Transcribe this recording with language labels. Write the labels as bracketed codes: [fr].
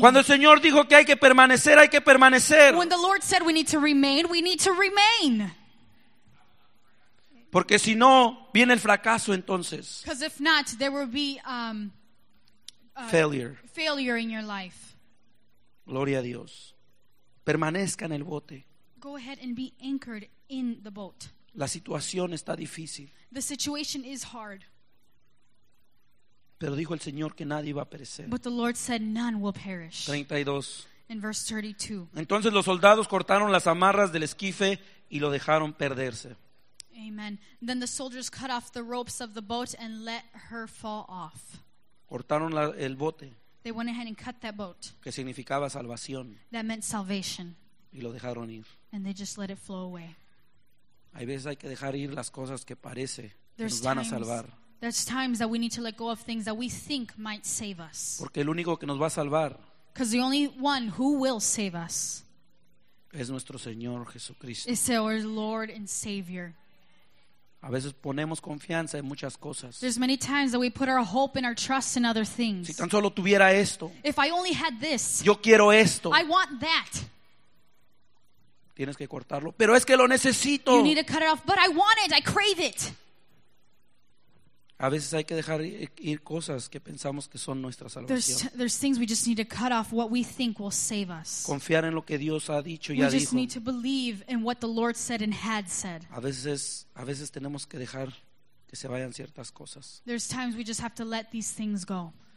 [es] Cuando el Señor dijo que hay que permanecer, hay que permanecer. [en] When the Lord said we need to remain, we need to remain. [es] Porque si no, viene el fracaso entonces. [en] Because if not, there will be failure in your life. [es] Gloria a Dios. Permanezca en el bote. [en] Go ahead and be anchored in the boat. [es] La situación está difícil. [en] The situation is hard. [es] Pero dijo el Señor que nadie iba a perecer. [en] But the Lord said none will perish. 32. In verse 32. [es] Entonces los soldados cortaron las amarras del esquife y lo dejaron perderse. [en] Amen. Then the soldiers cut off the ropes of the boat and let her fall off. [es] Cortaron la, el bote. [en] They went ahead and cut that boat. [es] Que significaba salvación. [en] That meant salvation. [es] Y lo dejaron ir. [en] And they just let it flow away. [es] Hay veces hay que dejar ir las cosas que parece que nos van a salvar. [en] There's times that we need to let go of things that we think might save us. [es] Porque el único que nos va a salvar. [en] Because the only one who will save us. [es] Es nuestro Señor Jesucristo. [en] Is our Lord and Savior. [es] A veces ponemos confianza en muchas cosas. [en] There's many times that we put our hope and our trust in other things. [es] Si tan solo tuviera esto. [en] If I only had this. [es] Yo quiero esto. [en] I want that. [es] Tienes que cortarlo. Pero es que lo necesito. [en] You need to cut it off. But I want it. I crave it. [es] A veces hay que dejar ir cosas que pensamos que son nuestra salvación. [en] There's things we just need to cut off what we think will save us. [es] Confiar en lo que Dios ha dicho y ha dicho. [en] We just need to believe in what the Lord said and had said. [es] A veces tenemos que dejar que se vayan ciertas cosas. [en] There's times we just have to let these things go.